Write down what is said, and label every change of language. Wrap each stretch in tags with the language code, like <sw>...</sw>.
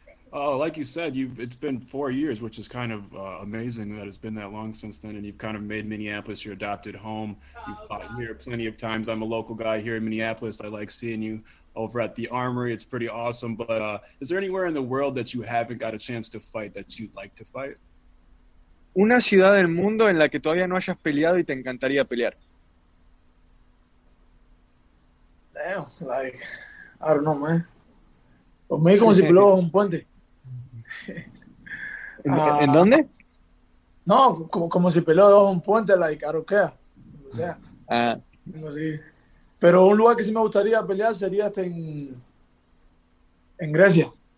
<en>Oh, like you said, it's been 4 years, which is kind of amazing that it's been that long since then. And you've kind of made Minneapolis your adopted home. You've fought here plenty of times. I'm a local guy here in Minneapolis. I like seeing you over at the Armory. It's pretty awesome. But is there anywhere in the world that you haven't got a chance to fight that you'd like to fight?</en> <es>Una ciudad del mundo en la que todavía no hayas peleado y te encantaría pelear.</es> <en>Damn, like, I don't know, man.</en> <es>Por mí como si peleaba un puente. ¿En dónde? No, como si peleaba bajo un puente,</es> <en>like, I don't care.</en> <es>O sea, como si. Pero un lugar que sí me gustaría pelear sería hasta en Grecia.</es>